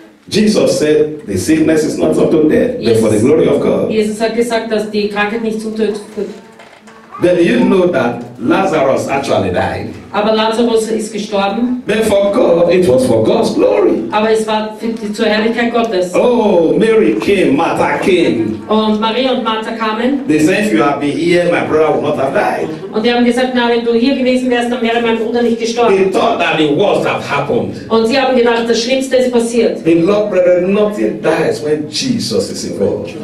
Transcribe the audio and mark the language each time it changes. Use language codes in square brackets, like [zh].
[en] Jesus said, the sickness is not unto death, but for the glory of God. [de] Jesus hat gesagt, dass die Krankheit nicht zum Tod führt. [en] Then you know that Lazarus actually died. [de] Aber Lazarus ist gestorben. [en] But for God, it was for God's glory. [de] Aber es war zur Herrlichkeit Gottes. [en] Oh, Mary came, Martha came. [de] Und Maria und Martha kamen. [en] They said, if you had been here, my brother would not have died. [de] Und die haben gesagt, na, wenn du hier gewesen wärst, dann wäre mein Bruder nicht gestorben. [en] They thought that the worst had happened. [de] Und sie haben gedacht, das Schlimmste ist passiert. [en] Beloved brother, nothing dies when Jesus is involved.